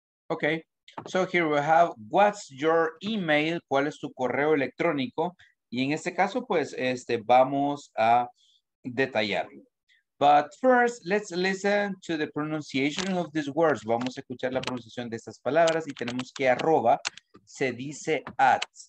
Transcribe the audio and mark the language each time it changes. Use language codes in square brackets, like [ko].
[en] Okay, so here we have, what's your email? [es] ¿Cuál es tu correo electrónico? Y en este caso, pues, este, vamos a detallarlo. [en] But first, let's listen to the pronunciation of these words. [es] Vamos a escuchar la pronunciación de estas palabras y tenemos que arroba se dice at.